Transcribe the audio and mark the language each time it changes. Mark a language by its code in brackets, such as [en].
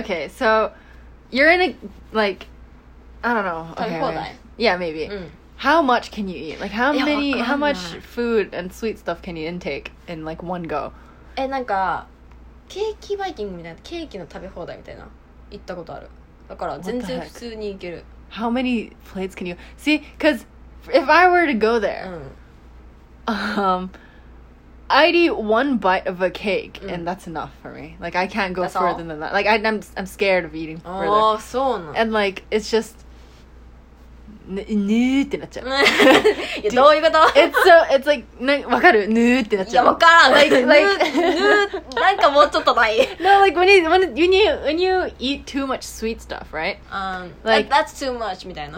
[en] Okay, so you're in a, like, I don't know. [ja] Okay, 食べ放題。 [en] Yeah, maybe.、うん、 how much can you eat? Like, how much food and sweet stuff can you intake in, like, one go? [ja] え、なんか、ケーキバイキングみたいな、ケーキの食べ放題みたいな、行ったことある。だから、全然普通に行ける。 [en] How many plates can you... See, because if I were to go there,、うん、 I'd eat one bite of a cake、mm. and that's enough for me. Like, I can't go、 that's、 further、 all? Than that. Like, I'm scared of eating further. Oh, so no. And like, it's just... [ja] ぬーってなっちゃう。どういうこと? [en] It's like... [ja] わかる?ぬーってなっちゃう。いや、わからん。ぬー、なんかもうちょっとない。 [en] No, like, when you eat too much sweet stuff, right? Like, that's too much, [ja] みたいな。